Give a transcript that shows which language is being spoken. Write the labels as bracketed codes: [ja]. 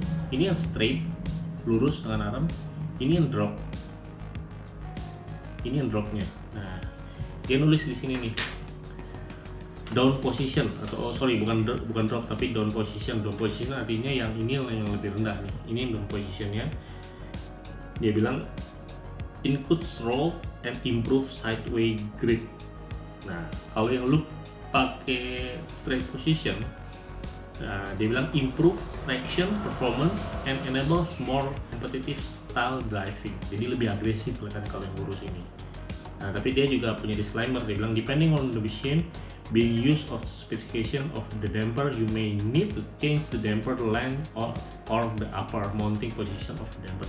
[id] Ini yang straight, lurus dengan arm, ini yang drop, ini yang dropnya. Nah, dia nulis di sini nih down position, atau bukan drop tapi down position. Down position artinya yang ini yang lebih rendah nih, ini yang down positionnya. Dia bilang [en] includes roll and improve sideway grip. [id] Nah, kalau yang lu pakai [en] straight position, [id] dia bilang [en] improve traction performance and enables more competitive style driving. [id] Jadi lebih agresif kelihatan kalau yang lurus ini. Nah, tapi dia juga punya disclaimer. Dia bilang [en] depending on the machine, being use of specification of the damper, you may need to change the damper length or the upper mounting position of the damper.